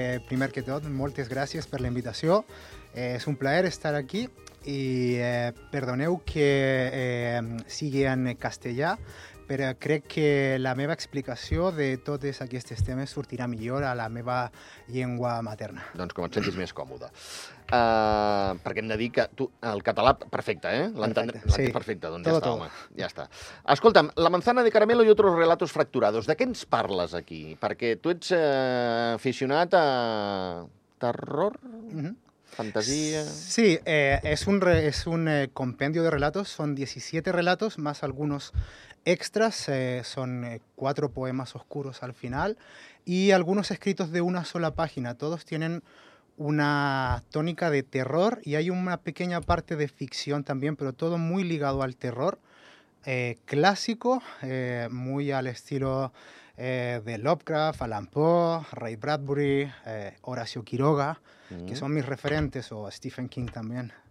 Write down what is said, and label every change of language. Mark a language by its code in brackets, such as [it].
[ca] Primer que tot, moltes gràcies per la invitació. És un plaer estar aquí i perdoneu que sigui en castellà, però crec que la meva explicació de totes aquestes temes sortirà millor a la meva llengua materna. Doncs com et sentis més còmode. Perquè hem de dir que tu, el català, perfecte, eh? L'entens perfecte, doncs tot, ja està, home. Ja està. Escolta'm, La manzana de caramelo i otros relatos fracturados. De què ens parles aquí? Perquè tu ets aficionat a terror? [es] Mm-hmm. Fantasía. Sí, es un compendio de relatos, son 17 relatos más algunos extras, son cuatro poemas oscuros al final y algunos escritos de una sola página. Todos tienen una tónica de terror y hay una pequeña parte de ficción también, pero todo muy ligado al terror clásico, muy al estilo de Lovecraft, Alan Poe, Ray Bradbury, Horacio Quiroga, que son mis referentes, o Stephen King también.